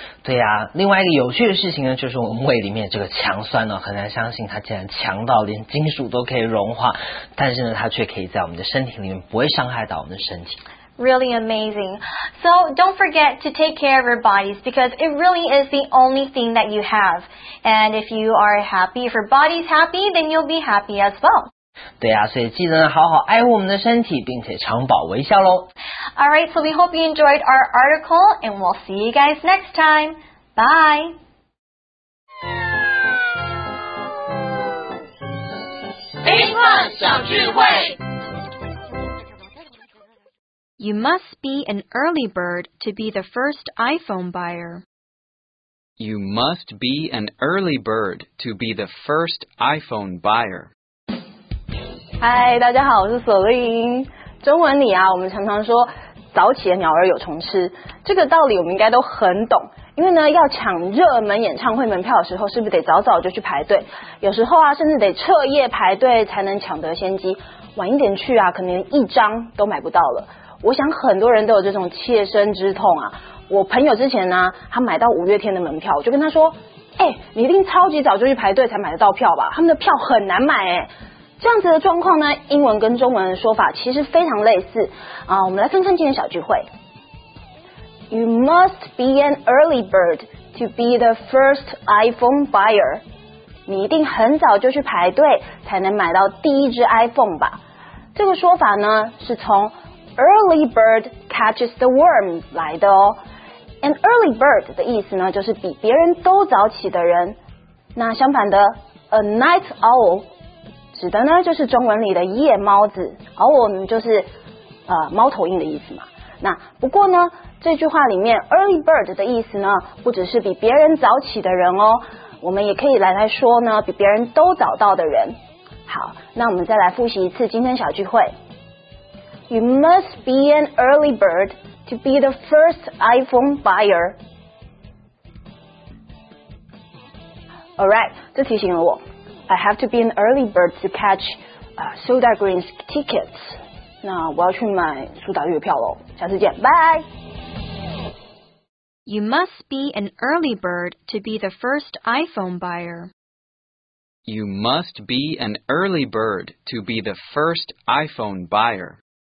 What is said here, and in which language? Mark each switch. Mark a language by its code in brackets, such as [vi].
[zh] 对啊，另外一个有趣的事情呢，就是我们胃里面这个强酸呢，很难相信它竟然强到连金属都可以融化，但是呢，它却可以在我们的身体里面不会伤害到我们的身体。 [en] Really amazing. So don't forget to take care of your bodies because it really is the only thing that you have. And if you are happy, if your body's happy, then you'll be happy as well. [zh] 对啊，所以记得呢好好爱护我们的身体，并且常保微笑咯。 [en] All right, so we hope you enjoyed our article and we'll see you guys next time. Bye! You must be an early bird to be the first iPhone buyer. You must be an early bird to be the first iPhone buyer. [zh] Hi, 大家好，我是索琳。中文里啊，我们常常说早起的鸟儿有虫吃，这个道理我们应该都很懂。因为呢，要抢热门演唱会门票的时候，是不是得早早就去排队？有时候啊，甚至得彻夜排队才能抢得先机。晚一点去啊，可能一张都买不到了。我想很多人都有这种切身之痛啊！我朋友之前呢，他买到五月天的门票，我就跟他说：“哎，你一定超级早就去排队才买得到票吧？他们的票很难买哎。” 这样子的状况呢，英文跟中文的说法其实非常类似啊。我们来看看今天小聚会。 [en] You must be an early bird to be the first iPhone buyer. [zh] 你一定很早就去排队才能买到第一只 iPhone 吧？这个说法呢，是从 [en] Early bird catches the worm [zh] 来的哦。 [en] An early bird [zh] 的意思呢，就是比别人都早起的人。那相反的 ，a night owl 指的呢，就是中文里的夜猫子。 owl 就是猫头鹰的意思嘛。那不过呢，这句话里面 early bird 的意思呢，不只是比别人早起的人哦，我们也可以来说呢，比别人都早到的人。好，那我们再来复习一次今天小聚会。 [en] You must be an early bird to be the first iPhone buyer. Alright, [zh] 这提醒了我。 [en] I have to be an early bird to catch Soda Green's tickets. [zh] 那我要去买苏打绿的票咯。下次见，拜。 [en] You must be an early bird to be the first iPhone buyer. You must be an early bird to be the first iPhone buyer.